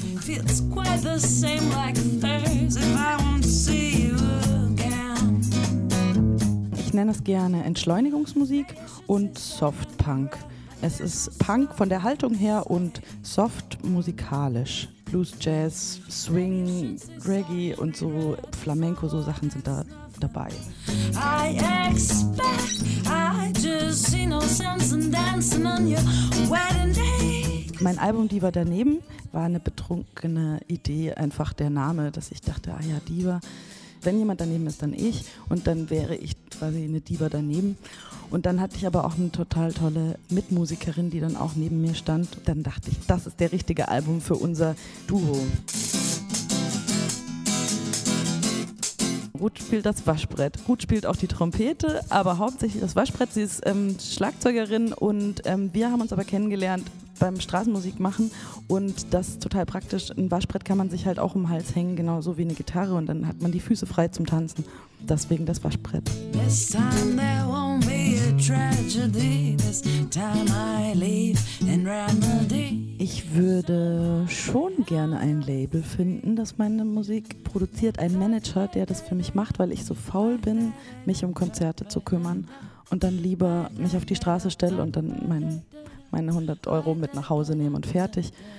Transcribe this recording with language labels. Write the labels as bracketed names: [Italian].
[German] Ich nenne es gerne Entschleunigungsmusik und Softpunk. Es ist Punk von der Haltung her und soft musikalisch. Blues, Jazz, Swing, Reggae und so Flamenco, so Sachen sind da dabei. [English] I expect I just see no sense in dancing on your wedding day. [German] Mein Album Diva daneben war eine betrunkene Idee, einfach der Name, dass ich dachte, ah ja, Diva. Wenn jemand daneben ist, dann ich, und dann wäre ich quasi eine Diva daneben. Und dann hatte ich aber auch eine total tolle Mitmusikerin, die dann auch neben mir stand. Dann dachte ich, das ist der richtige Album für unser Duo. Ruth spielt das Waschbrett. Ruth spielt auch die Trompete, aber hauptsächlich das Waschbrett. Sie ist Schlagzeugerin, und wir haben uns aber kennengelernt beim Straßenmusik machen, und das ist total praktisch. Ein Waschbrett kann man sich halt auch um den Hals hängen, genauso wie eine Gitarre, und dann hat man die Füße frei zum Tanzen. Deswegen das Waschbrett. [English] This time there won't be a tragedy. This time I leave in remedy. [German] Ich würde schon gerne ein Label finden, das meine Musik produziert. Ein Manager, der das für mich macht, weil ich so faul bin, mich um Konzerte zu kümmern, und dann lieber mich auf die Straße stelle und dann meine 100 Euro mit nach Hause nehmen und fertig.